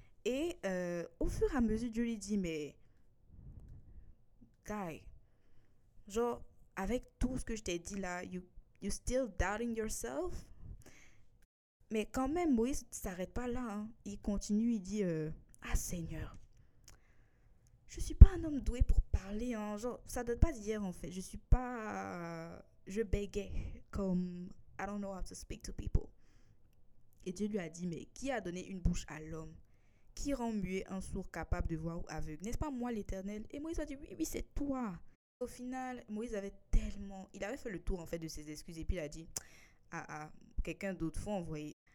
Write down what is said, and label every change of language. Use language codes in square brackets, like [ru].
[fr] Et au fur et à mesure, Dieu lui dit, mais guy, genre, avec tout ce que je t'ai dit là, [en] you still doubting yourself? [fr] Mais quand même, Moïse ne s'arrête pas là. Hein. Il continue, il dit, ah Seigneur, je suis pas un homme doué pour parler. Hein. Genre, ça date pas d'hier en fait. Je suis pas. Je bégayais comme [en] I don't know how to speak to people. [fr] Et Dieu lui a dit, mais qui a donné une bouche à l'homme? Qui rend muet un sourd capable de voir ou aveugle? N'est-ce pas moi l'Éternel? Et Moïse a dit, oui, c'est toi. Au final, Moïse avait tellement. Il avait fait le tour en fait de ses excuses et puis il a dit, ah, quelqu'un d'autre, faut envoyer.